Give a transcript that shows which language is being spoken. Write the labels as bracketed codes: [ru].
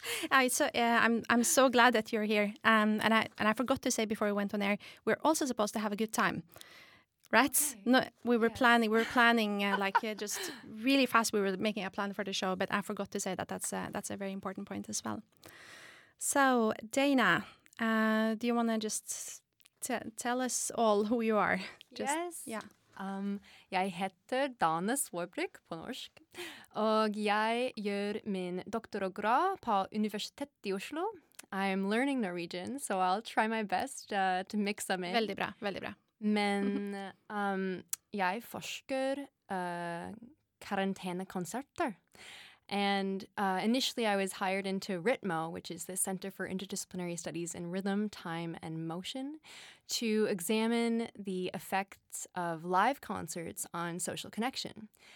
[en] I'm so glad that you're here. And I forgot to say before we went on air, we're also supposed to have a good time. Right? Okay. No, we were planning just really fast. We were making a plan for the show, but I forgot to say that that's a very important point as well. So, Dana, do you want to just tell us all who you are? Yes. Yeah. [no] Jeg heter Dana Swarbrick på norsk, og jeg gjør min doktorgrad på Universitetet I Oslo. [en] I'm learning Norwegian, so I'll try my best to mix them in. [no] Veldig bra, veldig bra. Men jeg forsker karantenekonserter. [en] And initially I was hired into RITMO, which is the Center for Interdisciplinary Studies in Rhythm, Time, and Motion, to examine the effects of live concerts on social connection.